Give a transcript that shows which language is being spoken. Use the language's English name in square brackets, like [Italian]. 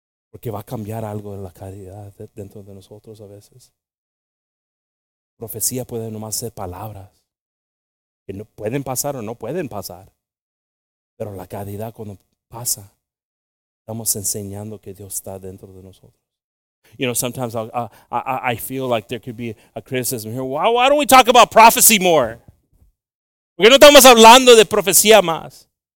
[Spanish] Porque va a cambiar algo en la caridad dentro de nosotros a veces. Profecía puede nomás ser palabras. Que no pueden pasar o no pueden pasar. Pero la caridad cuando pasa, estamos enseñando que Dios está dentro de nosotros. [English] You know, sometimes I feel like there could be a criticism here. Why don't we talk about prophecy more? [Spanish] ¿Por qué no estamos hablando de profecía más?